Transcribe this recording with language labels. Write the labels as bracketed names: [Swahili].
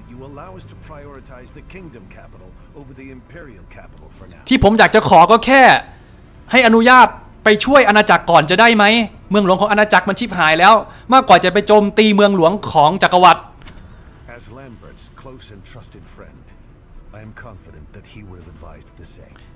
[English] allow us to prioritize the kingdom capital over the imperial capital for now. [Thai] ที่ผมอยากจะขอก็แค่ให้อนุญาตไปช่วยอาณาจักรก่อนจะได้ไหมเมืองหลวงของอาณาจักรมันชิบหายแล้วมากกว่าจะไปโจมตีเมืองหลวงของจักรวรรดิ [English] As Lambert's close and trusted friend, I am confident that he would have advised the same.